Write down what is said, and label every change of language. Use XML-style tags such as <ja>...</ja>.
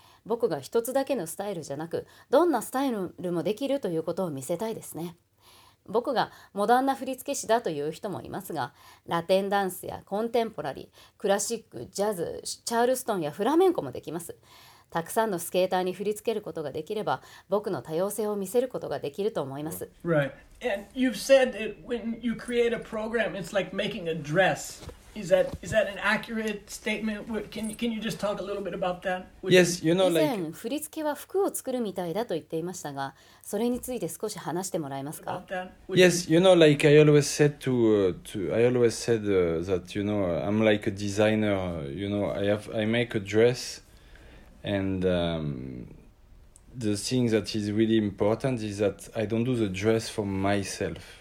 <ja>僕が一つだけのスタイルじゃなく、どんなスタイルもできるということを見せたいですね。僕がモダンな振付師だという人もいますが、ラテンダンスやコンテンポラリー、クラシック、ジャズ、チャールストンやフラメンコもできます。たくさんのスケーターに振り付けることができれば、僕の多様性を見せることができると思います。</ja> <en>Right. And you've said that when you create a program, it's like making a dress. Is that an accurate statement? Can you just talk a little bit about that? Yes, you know, like</en> <ja>以前振り付けは服を作るみたいだと言っていましたが、それについて少し話してもらえますか。</ja> <en>Yes, you know, like I always said that, you know, I'm like a designer. You know, I make a dress, and the thing that is really important is that I don't do the dress for myself.</en>